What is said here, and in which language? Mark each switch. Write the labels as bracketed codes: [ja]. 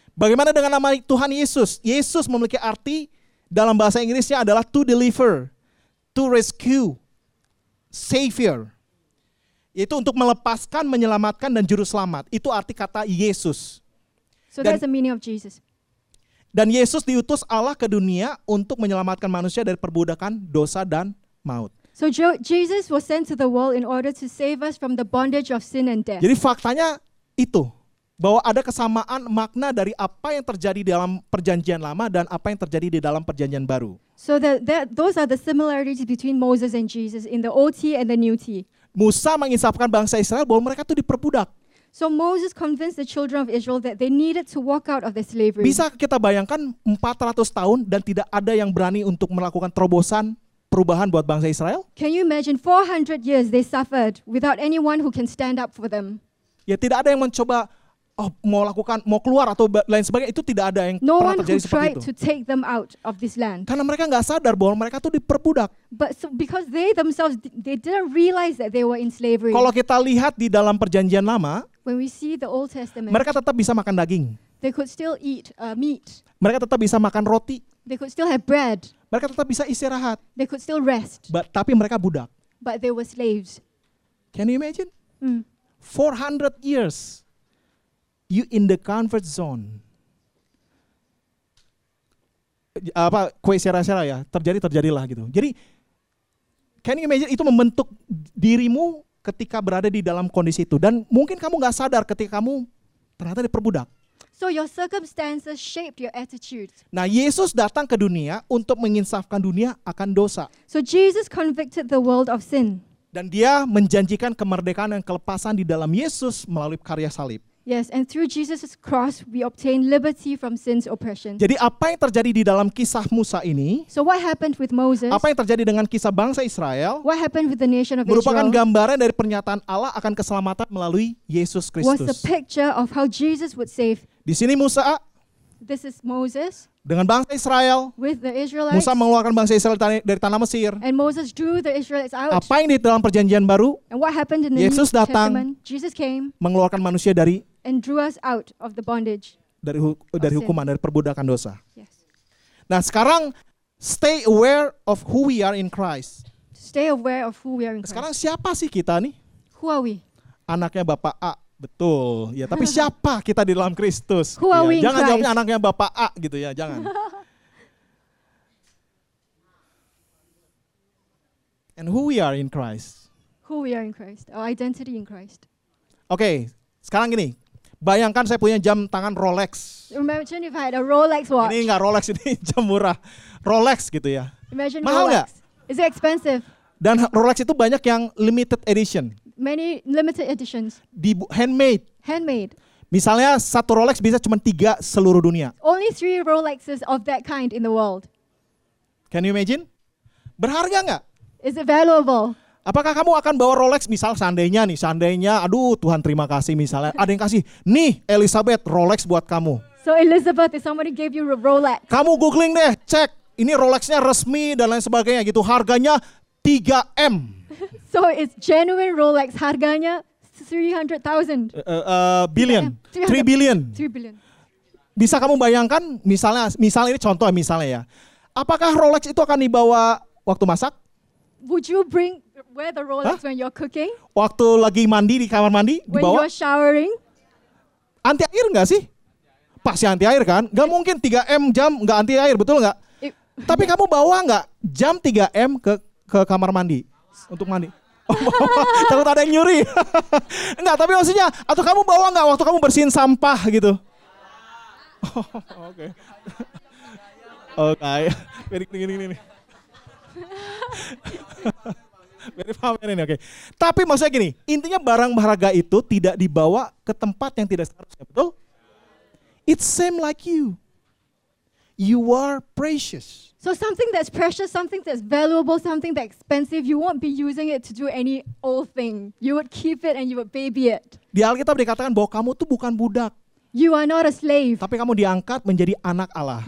[id] Bagaimana dengan nama Tuhan Yesus? Yesus memiliki arti dalam bahasa Inggrisnya adalah [en] to deliver, to rescue, savior. [id] Itu untuk melepaskan, menyelamatkan, dan juru selamat. Itu arti kata Yesus. [en] So that's the meaning of Jesus. [id] Dan Yesus diutus Allah ke dunia untuk menyelamatkan manusia dari perbudakan dosa dan maut. [en] So Jesus was sent to the world in order to save us from the bondage of sin and death. [id] Jadi faktanya itu, bahwa ada kesamaan makna dari apa yang terjadi dalam perjanjian lama dan apa yang terjadi di dalam perjanjian baru. [en] So those are the similarities between Moses and Jesus in the OT and the New T. [id] Musa menginsafkan bangsa Israel bahwa mereka itu diperbudak. [en] So Moses convinced the children of Israel that they needed to walk out of their slavery. [id] Bisa kita bayangkan 400 tahun dan tidak ada yang berani untuk melakukan terobosan perubahan buat bangsa Israel? [en] Can you imagine 400 years they suffered without anyone who can stand up for them? [id] Ya, tidak ada yang mencoba mau keluar atau lain sebagainya, itu tidak ada yang pernah terjadi seperti itu. [en] No one tried to take them out of this land. [id] Karena mereka enggak sadar bahwa mereka itu diperbudak. [en] But so because they themselves they didn't realize that they were in slavery. [id] Kalau kita lihat di dalam perjanjian lama, [en] when we see the Old Testament, [id] mereka tetap bisa makan daging. [en] They could still eat meat. [id] Mereka tetap bisa makan roti. [en] They could still have bread. [id] Mereka tetap bisa istirahat. [en] They could still rest. [id] Tapi mereka budak. [en] But they were slaves. Can you imagine? 400 years you in the comfort zone. [id] Apa kue sera-sera ya? Terjadilah gitu. Jadi [en] can you imagine, [id] itu membentuk dirimu ketika berada di dalam kondisi itu, dan mungkin kamu enggak sadar ketika kamu ternyata diperbudak. [en] So your circumstances shaped your attitude. [id] Nah, Yesus datang ke dunia untuk menginsafkan dunia akan dosa. [en] So Jesus convicted the world of sin. [id] Dan dia menjanjikan kemerdekaan dan kelepasan di dalam Yesus melalui karya salib. [en] Yes, and through Jesus' cross we obtain liberty from sin's oppression. [id] Jadi apa yang terjadi di dalam kisah Musa ini? [en] So what happened with Moses? [id] Apa yang terjadi dengan kisah bangsa Israel? [en] What happened with the nation of Israel? [id] Merupakan gambaran dari pernyataan Allah akan keselamatan melalui Yesus Kristus. [en] Was the picture of how Jesus would save. [id] Di sini Musa. [en] This is Moses. [id] Dengan bangsa Israel. [en] With the Israelites. [id] Musa mengeluarkan bangsa Israel dari tanah Mesir. [en] And Moses drew the Israelites out. [id] Apa yang di dalam perjanjian baru? [en] And what happened in the [id] Yesus [en] New [id] datang, [en] Testament? Jesus came. [id] Mengeluarkan manusia dari [en] and drew us out of the bondage. [id] Dari hukuman, dari perbudakan dosa. [en] Yes. [id] Nah, sekarang [en] stay aware of who we are in Christ. Stay aware of who we are in Christ. [id] Sekarang siapa sih kita nih? [en] Who are we? [id] Anaknya Bapak A. Betul. Ya, tapi siapa kita di dalam Kristus? [en] Who are [id] ya, [en] we [id] jangan [en] in Christ? [id] Jawabnya anaknya Bapak A gitu ya, jangan. [en] And who we are in Christ? Who we are in Christ? Our identity in Christ. [id] Okay, sekarang gini. Bayangkan saya punya jam tangan Rolex. [en] Imagine if I had a Rolex watch. [id] Ini enggak Rolex, ini jam murah. Rolex gitu ya. [en] Imagine [id] mahal enggak? [en] Is it expensive? [id] Dan Rolex itu banyak yang limited edition. [en] Many limited editions. Handmade. [id] Misalnya satu Rolex bisa cuma 3 seluruh dunia. [en] Only 3 Rolexes of that kind in the world. Can you imagine? [id] Berharga enggak? [en] Is it valuable? [id] Apakah kamu akan bawa Rolex, misal seandainya, aduh Tuhan terima kasih misalnya, ada yang kasih, nih Elizabeth, Rolex buat kamu. [en] So Elizabeth, if somebody gave you a Rolex. [id] Kamu googling deh, cek, ini Rolexnya resmi dan lain sebagainya gitu, harganya 3M. [en] So it's genuine Rolex, [id] harganya [en] 300,000. Billion, 3 billion. 3 billion. [id] Bisa kamu bayangkan, misalnya ini contoh misalnya ya, apakah Rolex itu akan dibawa waktu masak? [en] Would you bring... Wear the Rolex when you're cooking? [id] Waktu lagi mandi di kamar mandi, di bawah? [en] When you're showering? [id] Anti air enggak sih? Pasti anti air kan? Enggak mungkin 3M jam enggak anti air, betul enggak? Tapi kamu bawa enggak jam 3M ke kamar mandi? Untuk mandi? Takut ada yang nyuri? Enggak, tapi maksudnya, atau kamu bawa enggak waktu kamu bersihin sampah gitu? Oke. Oke. Gini. [en] Okay. [id] Tapi maksudnya gini, intinya barang berharga itu tidak dibawa ke tempat yang tidak seharusnya, betul? [en] It's same like you. You are precious. So something that's precious, something that's valuable, something that's expensive, you won't be using it to do any old thing. You would keep it and you would baby it. [id] Di Alkitab dikatakan bahwa kamu itu bukan budak. [en] You are not a slave. [id] Tapi kamu diangkat menjadi anak Allah.